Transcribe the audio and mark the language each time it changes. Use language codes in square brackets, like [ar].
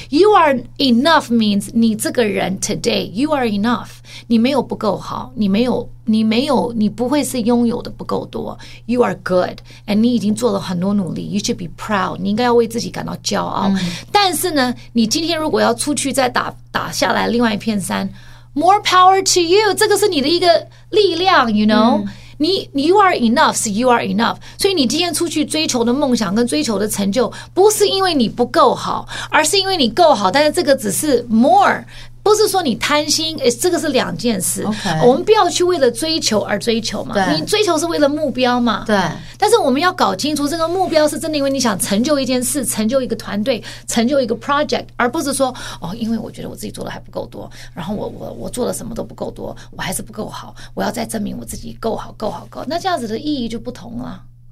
[en] You are enough means [zh] 你这个人 [en] today you are enough， [zh] 你没有不够好，你没有，你不会是拥有的不够多。 [en] You are good， and [zh] 你已经做了很多努力。 [en] You should be proud， [zh] 你应该要为自己感到骄傲。嗯、但是呢，你今天如果要出去再打下来另外一片山。 [en] More power to you， [zh] 这个是你的一个力量 [en] ，you know、嗯。你 you are enough， 是 you are enough。 [zh] 所以你今天出去追求的梦想跟追求的成就，不是因为你不够好，而是因为你够好。但是这个只是 more，不是说你贪心，这个是两件事。 [en] Okay. [zh] 我们不要去为了追求而追求嘛，你追求是为了目标嘛。对。但是我们要搞清楚，这个目标是真的因为你想成就一件事、成就一个团队、成就一个 project， 而不是说哦，因为我觉得我自己做的还不够多，然后我做的什么都不够多，我还是不够好，我要再证明我自己够好、够好、够。那这样子的意义就不同了。